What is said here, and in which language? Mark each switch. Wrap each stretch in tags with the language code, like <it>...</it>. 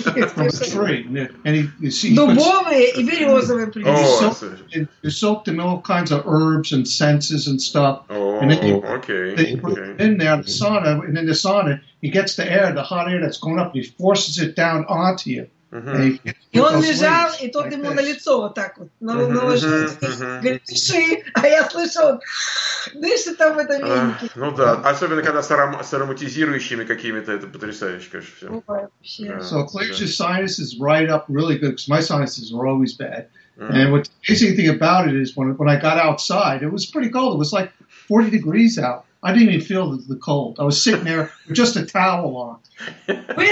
<en>From a tree. And you see.</en> <ru>Дубовые и березовые. Oh,</ru> <en>you soaked in all kinds of herbs and scents and stuff. Oh, and then in the sauna, he gets the air, the hot air that's going up, and he forces it down onto you.</en> <ru>И он лежал, и тот ему на лицо вот так вот наложил, говорит, дыши, а я слышал, дыши там в этом венике. Ну да, особенно когда с ароматизирующими какими-то, это потрясающе, конечно, все.</ru> <en>So, clears your sinuses right up really good, because my sinuses were always bad. And what the amazing thing about it is, when I got outside, it was pretty cold, it was like 40 degrees out. I didn't even feel the cold. I was sitting there with just a towel on.</en>